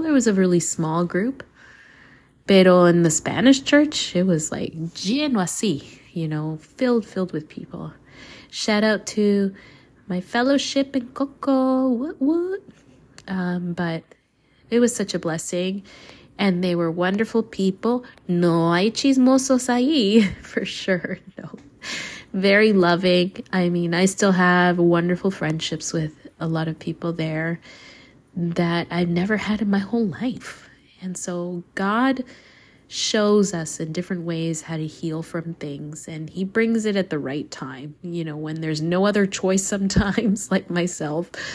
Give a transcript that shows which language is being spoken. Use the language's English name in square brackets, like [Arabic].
[English] There was a really small group. Pero in the Spanish church, it was like [Spanish] lleno así, [English] you know, filled with people. Shout out to my fellowship in Coco. But it was such a blessing. And they were wonderful people. [Spanish] No hay chismosos ahí, [English] for sure. No. Very loving. I mean, I still have wonderful friendships with a lot of people there that I've never had in my whole life. And so God shows us in different ways how to heal from things. And he brings it at the right time. You know, when there's no other choice sometimes, like myself.